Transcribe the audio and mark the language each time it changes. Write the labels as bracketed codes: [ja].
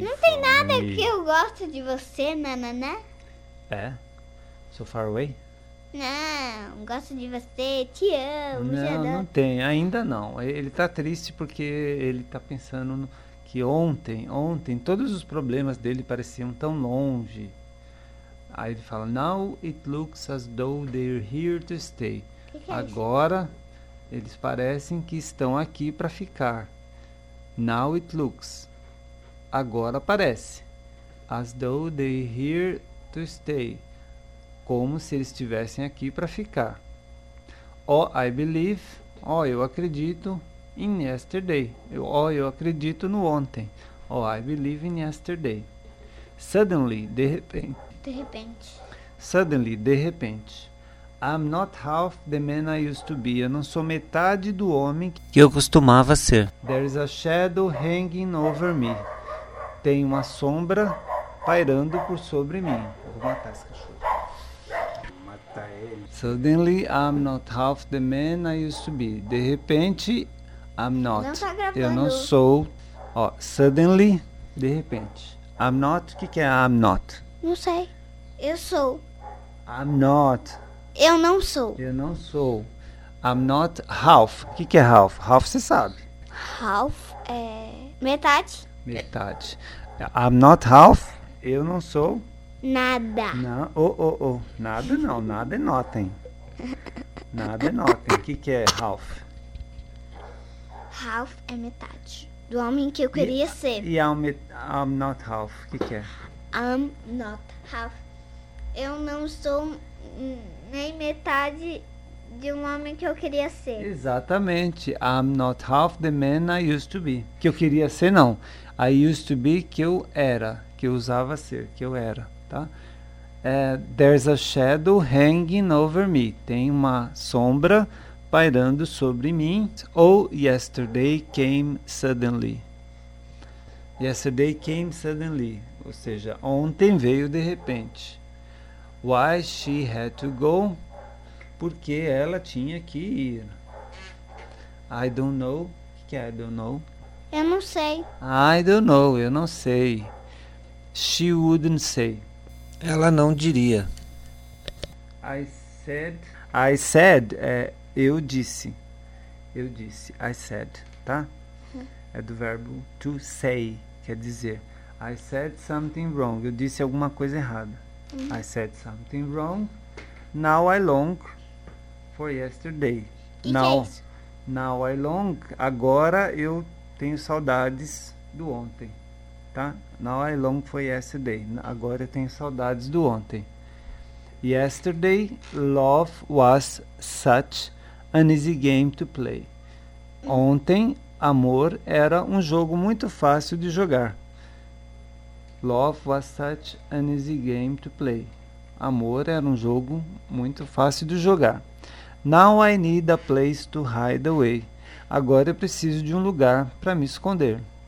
[pt] Não tem nada que eu gosto de você, nananã. [en] É? So far away? [pt] Não, gosto de você, te amo. Não, já não tem, ainda não. Ele tá triste porque ele tá pensando que ontem, todos os problemas dele pareciam tão longe. Aí ele fala, [en] now it looks as though they're here to stay. [pt] Agora... É, eles parecem que estão aqui para ficar. [en] Now it looks. [pt] Agora parece. [en] As though they're here to stay. [pt] Como se eles estivessem aqui para ficar. [en] Oh, I believe. [pt] Oh, eu acredito [en] in yesterday. [pt] Eu acredito no ontem. [en] Oh, I believe in yesterday. Suddenly, [pt] de repente. De repente. [en] Suddenly, [pt] de repente. [en] I'm not half the man I used to be. [pt] Eu não sou metade do homem que eu costumava ser. [en] There is a shadow hanging over me. [pt] Tem uma sombra pairando por sobre mim. Eu vou matar esse cachorro. [en] Suddenly, I'm not half the man I used to be. [pt] De repente, [en] I'm not. [pt] Não tá gravando. Eu não sou. Ó, [en] suddenly, [pt] de repente. [en] I'm not. [pt] O que, que é [en] I'm not? [pt] Não sei. Eu sou. [en] I'm not. [pt] Eu não sou. Eu não sou. [en] I'm not half. [pt] O que, que é half? Half você sabe. Half é metade. Metade. [en] I'm not half. [pt] Eu não sou. Nada. Não, nada não, nada é nota, hein? Nada é nota. O que, que é half? Half é metade do homem que eu queria ser. E [en] I'm not half, [pt] o que, que é? [en] I'm not half. [pt] Eu não sou nem metade de um homem que eu queria ser. Exatamente. [en] I'm not half the man I used to be. [pt] Que eu queria ser, não. [en] I used to be, [pt] que eu era, que eu usava ser, que eu era. [en] There's a shadow hanging over me. [pt] Tem uma sombra pairando sobre mim. [en] Oh, yesterday came suddenly. Yesterday came suddenly. [pt] Ou seja, ontem veio de repente. [en] Why she had to go? [pt] Porque ela tinha que ir. [en] I don't know. [pt] O que é [en] I don't know? [pt] Eu não sei. [en] I don't know. [pt] Eu não sei. [en] She wouldn't say. [pt] Ela não diria. [en] I said, [pt] é eu disse. Eu disse, [en] I said, [pt] tá? É do verbo [en] to say, [pt] quer dizer. [en] I said something wrong, [pt] eu disse alguma coisa errada. [en] I said something wrong. Now I long for yesterday. Now I long, [pt] agora eu tenho saudades do ontem. Tá? [en] Now I long for yesterday. [pt] Agora eu tenho saudades do ontem. [en] Yesterday, love was such an easy game to play. [pt] Ontem, amor era um jogo muito fácil de jogar. [en] Love was such an easy game to play. [pt] Amor era um jogo muito fácil de jogar. [en] Now I need a place to hide away. [pt] Agora eu preciso de um lugar para me esconder.